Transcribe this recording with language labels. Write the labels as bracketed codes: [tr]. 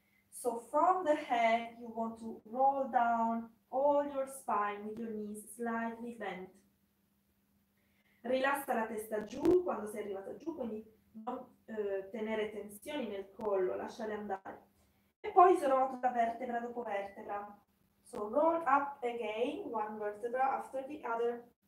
[en] So from the head you want to roll down all your spine with your knees slightly bent. [it] Rilassa la testa giù quando sei arrivata giù, quindi non tenere tensioni nel collo, lasciale andare. E poi srotola vertebra dopo vertebra. [en] So roll up again, one vertebra after the other.